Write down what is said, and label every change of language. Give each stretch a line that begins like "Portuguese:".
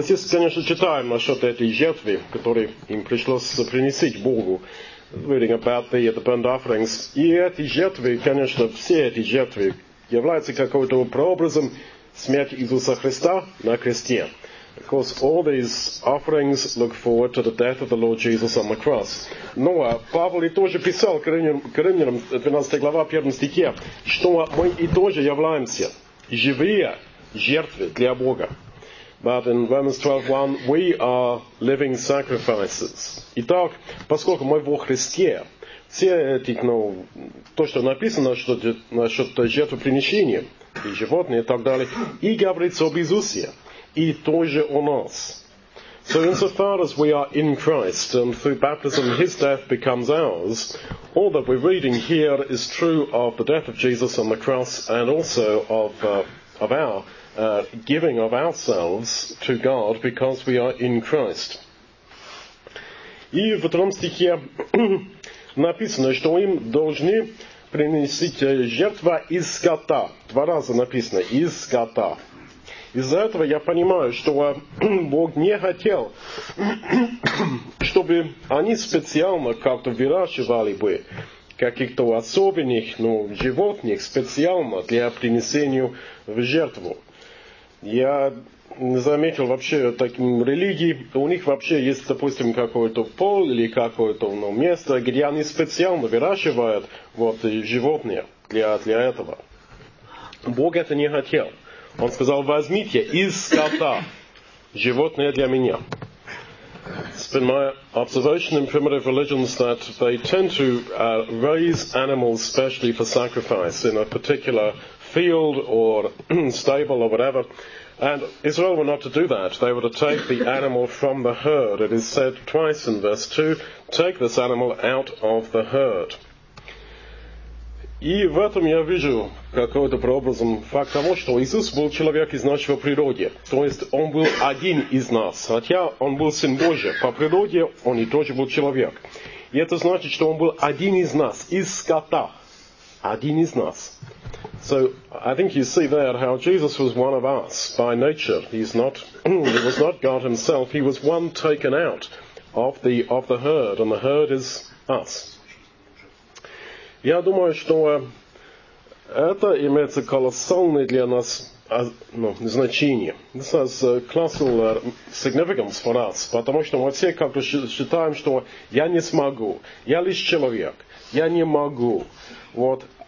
Russian: Здесь, конечно, читаем насчет этой жертвы, которую им пришлось принести Богу.
English: Reading about the burnt offerings.
Russian: И эти жертвы, конечно, все эти жертвы являются какого-то прообразом смерти Иисуса Христа на кресте.
English: Of course, all these offerings look forward to the death of the Lord Jesus on the cross.
Russian: Но Павел и тоже писал Коринфянам, 12 глава, 1 стихе, что мы и тоже являемся живые жертвы для Бога.
English: But in Romans 12:1, we are living sacrifices.
Russian: Итак, поскольку мы во Христе, все эти, ну, то, что написано что, насчет жертвоприношения, и животные, и так далее, и говорится об Иисусе, и тоже о нас.
English: So insofar as we are in Christ, and through baptism his death becomes ours, all that we're reading here is true of the death of Jesus on the cross, and also of our giving of ourselves to God because we are in Christ.
Russian: И в втором стихе написано, что им должны принести жертву из скота. Два раза написано «из скота». Из-за этого я понимаю, что Бог не хотел, чтобы они специально как-то выращивали бы каких-то особенных, ну, животных специально для принесения в жертву. Я не заметил вообще таких религий. У них вообще есть, допустим, какое-то поле или какое-то, ну, место, где они специально выращивают вот животные для этого. Бог это не хотел. Он сказал, возьмите из скота животное для меня.
English: It's been my observation in primitive religions that they tend to raise animals specially for sacrifice in a particular field or stable or whatever. And Israel were not to do that. They were to take the animal from the herd. It is said twice in verse 2, take this animal out of the herd.
Russian: И в этом я вижу какой-то прообразом факт того, что Иисус был человек из нашего природы. То есть он был один из нас. Хотя он был Сын Божий. По природе он и тоже был человек. И это значит, что он был один из нас, из скота. Один из нас.
English: So I think you see there how Jesus was one of us by nature. He was not God himself. He was one taken out of the herd, and the herd is us.
Russian: Я думаю, что это имеется колоссальное для нас, ну, значение.
English: This has colossal significance for us,
Russian: потому что мы все как-то считаем, что я не смогу, я лишь человек, я не могу. Вот.